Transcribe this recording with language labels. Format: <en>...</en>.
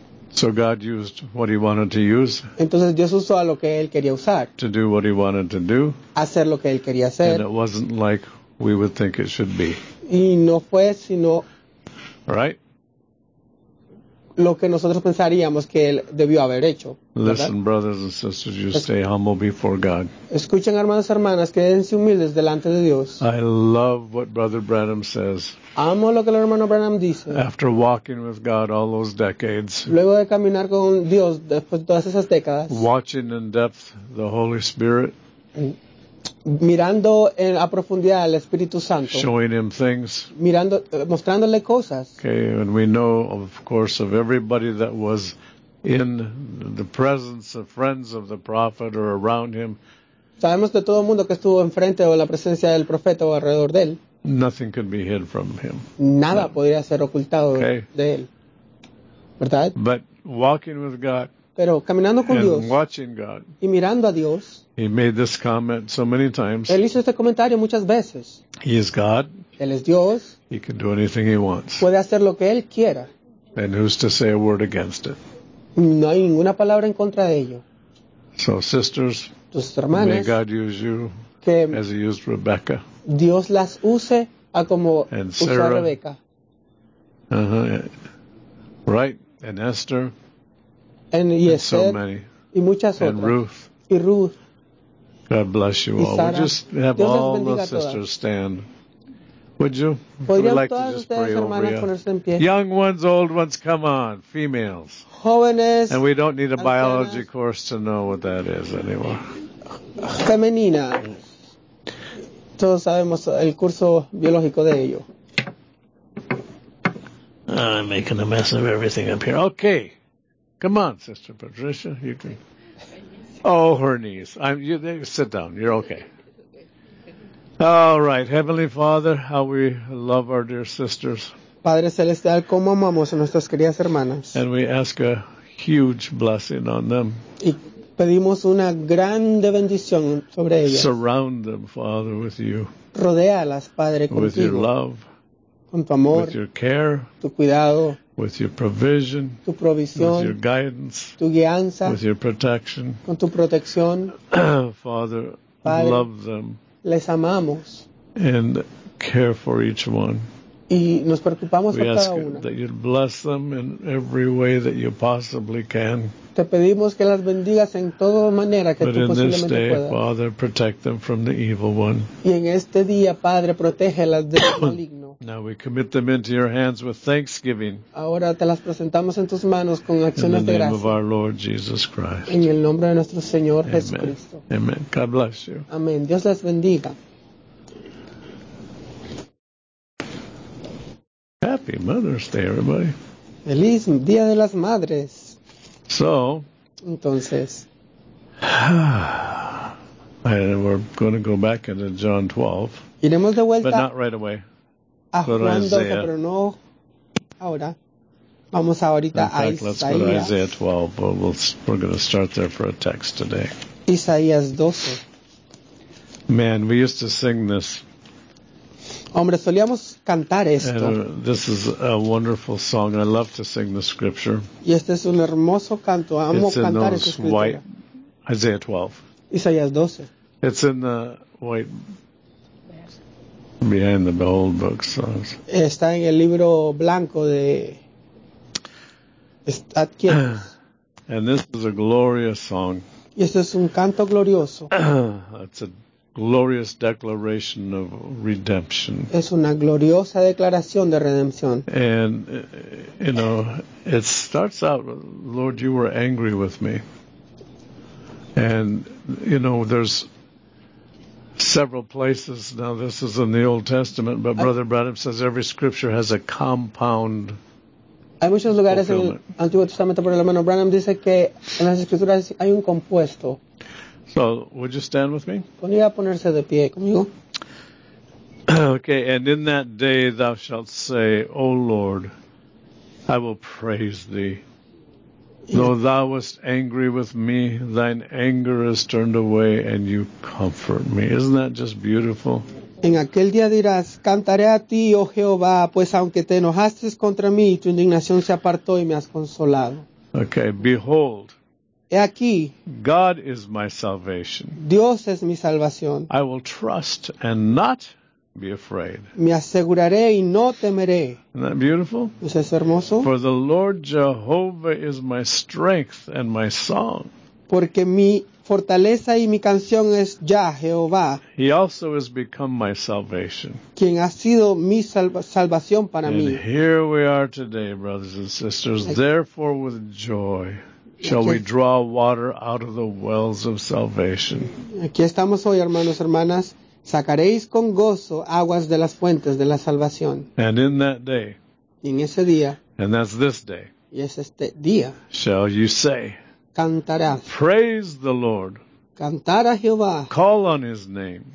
<en>So God used what he wanted to use.</en> <es>Entonces Dios usó a lo que él quería usar.</es> <en>To do what he wanted to do.</en> <es>Hacer lo que él quería hacer.</es> <en>And it wasn't like we would think it should be.</en> <es>Y no fue sino...</es> <en>Right?</en> <es>Lo que nosotros pensaríamos que él debió haber hecho. ¿Verdad?</es> <en>Listen, brothers and sisters, you stay humble before God.</en> <es>Escuchen, hermanos y hermanas, quédense humildes delante de Dios.</es> <en>I love what Brother Branham says.</en> <es>Amo lo que el hermano Branham dice.</es> <en>After walking with God all those decades.</en> <es>Luego de caminar con Dios después de todas esas décadas.</es> <en>Watching in depth the Holy Spirit.</en> <es>Mirando en la profundidad al Espíritu Santo.</es> <en>Showing him things.</en> <es>Mirando, mostrándole cosas.</es> <en>Okay, and we know, of course, of everybody that was in the presence of friends of the prophet or around him.</en> <es>Sabemos de todo el mundo que estuvo enfrente o en la presencia del profeta o alrededor de él.</es> <en>Nothing could be hid from him.</en> <es>Nada podría ser ocultado de él. ¿Verdad?</es> <en>But walking with God.</en> <es>Pero caminando con</es> <en>and</en> <es>Dios</es> <en>watching God,</en> <es>y mirando a Dios,</es> <en>he made this comment so many times.</en> <es>Él hizo este comentario muchas veces.</es> <en>He is God.</en> <es>Él es Dios.</es> <en>He can do anything he wants.</en> <es>Puede hacer lo que él quiera.</es> <en>And who's to say a word against it?</en> <es>No hay ninguna palabra en contra de ello.</es> <en>So sisters,</en> <es>tus hermanas,</es> <en>may God use you as he used Rebecca.</en> <es>Dios las use a como usó a Rebeca.</es> <en>Uh-huh. Right, and Esther. And Esther, so many.</en> <es>Y muchas otras.</es> <en>And Ruth.</en> <es>Y Ruth.</es> <en>God bless you all. Would you just have</en> <es>Dios</es> <en>all the sisters stand? Would you?</en> <es>Podríamos</es> <en>we'd like to just pray over you. Young ones, old ones, come on. Females.</en> <es>Jóvenes.</es> <en>And we don't need a biology course to know what that is anymore.</en> <es>Femenina. Todos sabemos el curso biológico de ello.</es> <en>I'm making a mess of everything up here. Okay. Come on, Sister Patricia, you can. Oh, her knees. Sit down. You're okay. All right, Heavenly Father, how we love our dear sisters.</en> <es>Padre celestial, cómo amamos a nuestras queridas hermanas.</es> <en>And we ask a huge blessing on them.</en> <es>Y pedimos una grande bendición sobre ellas.</es> <en>Surround them, Father, with you.</en> <es>Rodéalas, Padre, contigo.</es> <en>With your love.</en> <es>Con tu amor.</es> <en>With your care.</en> <es>Tu cuidado.</es> <en>With your provision,</en> <es>tu provisión,</es> <en>with your guidance,</en> <es>tu guianza,</es> <en>with your protection,</en> <es>con tu protección.</es> <en>Father,</en> <es>Padre,</es> <en>love them,</en> <es>les amamos,</es> <en>and care for each one,</en> <es>Y nos preocupamos por cada una.</es> <en>That you bless them in every way that you possibly can.</en> <es>Te pedimos que las bendigas en toda manera que</es> <en>But</en> <es>tú posiblemente puedas.</es> <en>But in this day, puedas. Father, protect them from the evil one.</en> <es>Y en este día, Padre, protégelas del maligno.</es> <en>Now we commit them into your hands with thanksgiving.</en> <es>Ahora te las presentamos en tus manos con acciones de gracias.</es> <en>In the name of our Lord Jesus Christ.</en> <es>En el nombre de nuestro Señor Jesucristo.</es> <en>Amen. God bless you.</en> <es>Amén. Dios las bendiga.</es> <en>Happy Mother's Day, everybody.</en> <es>Feliz Día de las Madres.</es> <en>So,</en> <es>entonces,</es> <en>and we're going to go back into John 12.</en> <es>Iremos de vuelta, but not right away. A Juan 12, pero no ahora. Vamos ahorita a Isaías.</es> <en>Let's go to Isaiah 12, but we're going to start there for a text today.</en> <es>Isaías 12.</es> <en>Man, we used to sing this.</en> <es>Hombre, solíamos cantar esto.</es> <en>And, this is a wonderful song. I love to sing the scripture.</en> <es>Y este es un hermoso canto. Amo</es> <en>It's</en> <es>cantar</es> <en>in those</en> <es>esta escritura.</es> <en>White, Isaiah 12.</en> <es>Isaías 12.</es> <en>It's in the white behind the old book. So.</en> <es>Está en el libro blanco de Estad quietos.</es> <en>And this is a glorious song.</en> <es>Y este es un canto glorioso.</es> <en>It's a glorious declaration of redemption.</en> <es>Es una gloriosa declaración de redención.</es> <en>And you know, it starts out, Lord, you were angry with me. And you know, there's several places. Now this is in the Old Testament, but Brother Branham says every scripture has a compound.</en> <es>Hay muchos lugares en el Antiguo Testamento, pero el hermano Branham dice que en las escrituras hay un compuesto.</es> <en>So, would you stand with me?</en> <es>¿Podría ponerse de pie conmigo?</es> <en>Okay, and in that day thou shalt say, O Lord, I will praise thee. Though thou wast angry with me, thine anger is turned away, and you comfort me. Isn't that just beautiful?</en> <es>En aquel día dirás, cantaré a ti, oh Jehová, pues aunque te enojaste contra mí, tu indignación se apartó y me has consolado.</es> <en>Okay, behold.</en> <es>Aquí,</es> <en>God is my salvation.</en> <es>Dios es mi salvación.</es> <en>I will trust and not be afraid.</en> <es>Me aseguraré y no temeré.</es> <en>Isn't that beautiful?</en> <es>¿Es eso hermoso?</es> <en>For the Lord Jehovah is my strength and my song.</en> <es>Porque mi fortaleza y mi canción es Yah, Jehová.</es> <en>He also has become my salvation.</en> <es>Quien ha sido mi salvación para mí.</es> <en>And here we are today, brothers and sisters, therefore with joy. Shall we draw water out of the wells of salvation?</en> <es>Aquí estamos hoy, hermanos, hermanas. Sacaréis con gozo aguas de las fuentes de la salvación.</es> <en>And in that day.</en> <es>En ese día.</es> <en>And that's this day.</en> <es>Y es este día.</es> <en>Shall you say.</en> <es>Cantarás.</es> <en>Praise the Lord.</en> <es>Cantar a Jehová.</es> <en>Call on his name.</en>